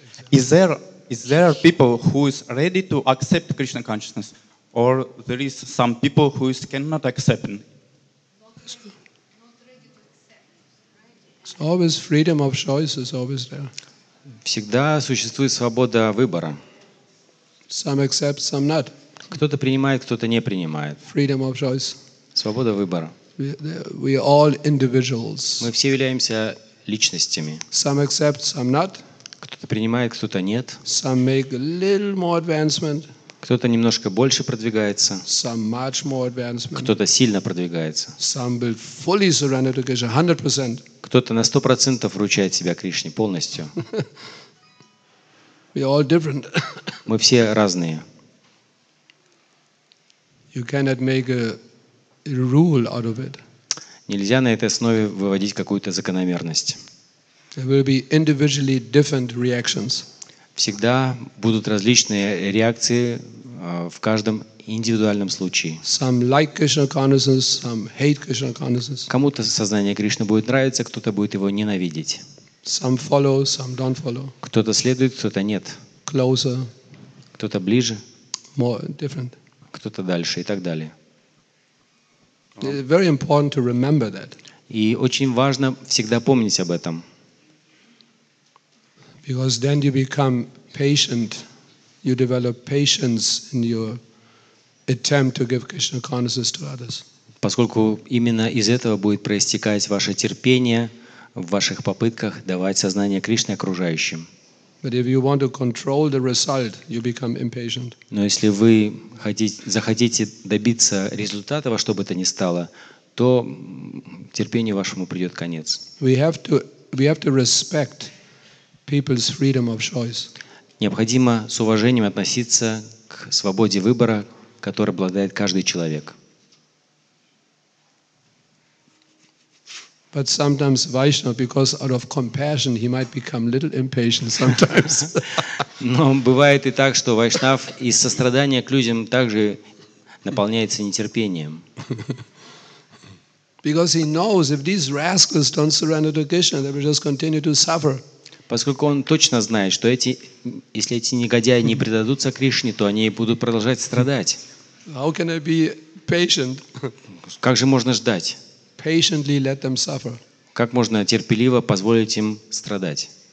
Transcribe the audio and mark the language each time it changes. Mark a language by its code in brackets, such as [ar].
[en] Is there people who is ready to accept Krishna consciousness, or there is some people who is cannot accept? It's always freedom of choice is always there. [ru] Всегда существует свобода выбора. [en] Some accept, some not. [ru] Кто-то принимает, кто-то не принимает. [en] Freedom of choice. [ru] Свобода выбора. [en] We are all individuals. [ru] Мы все являемся личностями. [en] Some accept, some not. [ru] Кто-то принимает, кто-то нет. [en] Some make a little more advancement. [ru] Кто-то немножко больше продвигается. [en] Some much more advancement. [ru] Кто-то сильно продвигается. [en] Some will fully surrender to Krishna 100%. [ru] Кто-то на 100% вручает себя Кришне полностью. [en] We all different. [ru] Мы все разные. [en] You cannot make a rule out of it. [ru] Нельзя на этой основе выводить какую-то закономерность. [en] There will be individually different reactions. [ru] Всегда будут различные реакции в каждом индивидуальном случае. [en] Some like Krishna consciousness, some hate Krishna consciousness. [ru] Кому-то сознание Кришны будет нравиться, кто-то будет его ненавидеть. [en] Some follow, some don't follow. [ru] Кто-то следует, кто-то нет. [en] Closer. [ru] Кто-то ближе. [en] More different. [ru] Кто-то дальше и так далее. [en] It's very important to remember that. [ru] И очень важно всегда помнить об этом. [en] Because then you become patient, you develop patience in your attempt to give Krishna consciousness to others. [ru] Поскольку именно из этого будет проистекать ваше терпение в ваших попытках давать сознание Кришны окружающим. [en] But if you want to control the result, you become impatient. [ru] Но если вы захотите добиться результата во что бы то ни стало, то терпению вашему придет конец. [en] We have to respect people's freedom of choice. [ru] Необходимо с уважением относиться к свободе выбора, которой обладает каждый человек. [en] But sometimes Vaishnava, because out of compassion, he might become a little impatient sometimes. [ru] Но бывает и так, что Вайшнав из сострадания к людям также наполняется нетерпением. [en] Because he knows if these rascals don't surrender to Krishna, they will just continue to suffer. [ru] Поскольку он точно знает, что если эти негодяи не предадутся Кришне, то они будут продолжать страдать. [en] How can I be patient? [ru] Как же можно ждать? [en] Patiently let them suffer. [ru] Как можно терпеливо позволить им страдать?